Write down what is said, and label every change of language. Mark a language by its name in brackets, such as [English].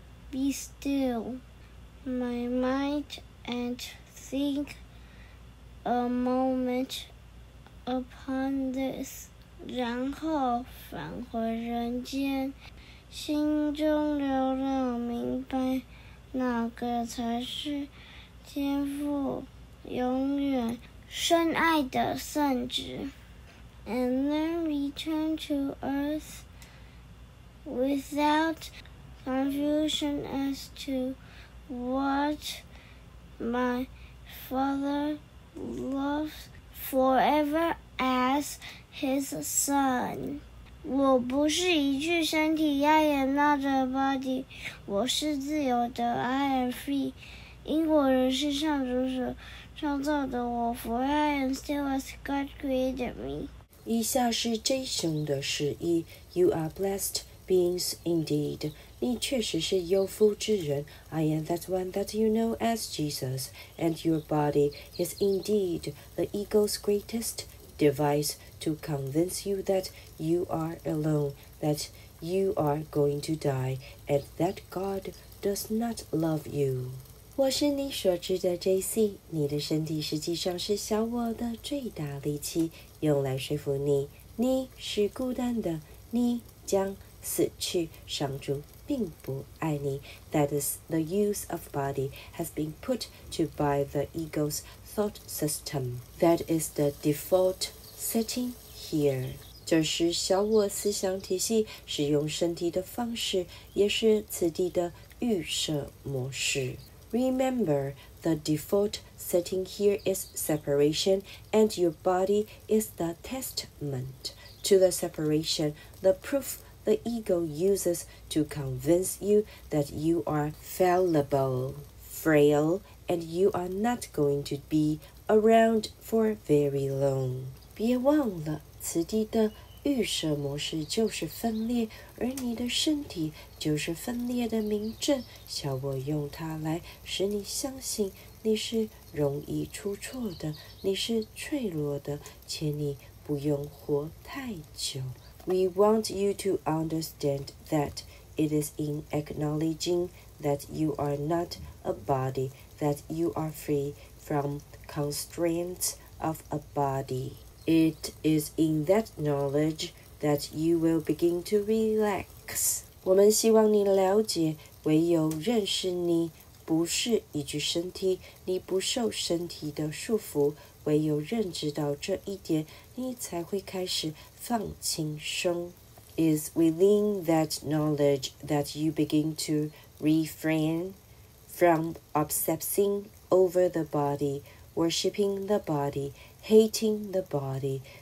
[English] Be still my mind and think a moment upon this。 [Chinese] 然后返回人间，心中了了明白，哪个才是天父永远深爱的圣子。 [English] And then return to earth without confusion as to what my father loves forever as his son。 [Chinese] 我不是一具身体， [English] I am not a body, [Chinese] 我是自由的， [English] I am free, [Chinese] 因我仍是上主所创造的我， [English] For I am still as God created me。 [Chinese] 以下是 J 兄的释义。 [English] You are blessed beings indeed, [Chinese] 你确实是有福之人。 [English] I am that one that you know as Jesus, and your body is indeed the ego's greatest device to convince you that you are alone, that you are going to die, and that God does not love you. [Chinese] 我是你所知的 JC, 你的身体实际上是小我的最大利器，用来说服你，你是孤单的，你将死去，上主并不爱你。 [English] That is, the use of body has been put to by the ego's thought system. That is the default setting here. [Chinese] 这是小我思想体系使用身体的方式，也是此地的预设模式。 [English] Remember, the default setting here is separation, and your body is the testament to the separation, the proof the ego uses to convince you that you are fallible, frail, and you are not going to be around for very long. [Chinese] 别忘了，此地的预设模式就是分裂，而你的身体就是分裂的明证。小我用它来使你相信你是容易出错的，你是脆弱的，且你不用活太久。 [English] We want you to understand that it is in acknowledging that you are not a body, that you are free from constraints of a body. It is in that knowledge that you will begin to relax. [Chinese] 我们希望你了解，唯有认识你不是一具身体，你不受身体的束缚，唯有认知到这一点，你才会开始放轻松。 [English] Is within that knowledge that you begin to refrain from obsessing over the body, worshipping the body, hating the body.